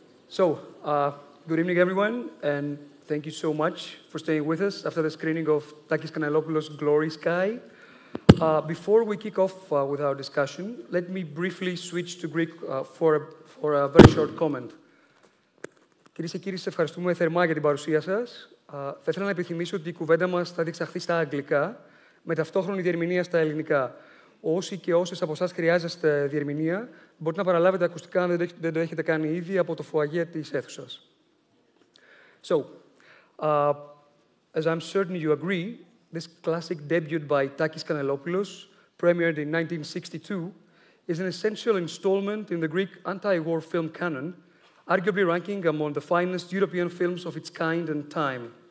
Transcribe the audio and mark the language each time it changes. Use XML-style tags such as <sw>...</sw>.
<en>So, good evening everyone, and thank you so much for staying with us after the screening of Tákis Kanellopoulos' Glory Sky. Before we kick off with our discussion, let me briefly switch to Greek for a very short comment.</en> <el>Κυρίες και κύριοι, σας ευχαριστούμε θερμά για την παρουσία σας. Θα ήθελα να επιθυμίσω ότι η κουβέντα μας θα διεξαχθεί στα αγγλικά, με ταυτόχρονη διερμηνία στα ελληνικά. Όσοι και όσες από εσάς χρειάζεστε διερμηνία, μπορείτε να παραλάβετε ακουστικά αν δεν το έχετε κάνει ήδη από το φωαγέ της αίθουσας.</el> <en>So, as I'm certain you agree, this classic debut by Tákis Kanellopoulos, premiered in 1962, is an essential installment in the Greek anti-war film canon, arguably ranking among the finest European films of its kind and time.</en>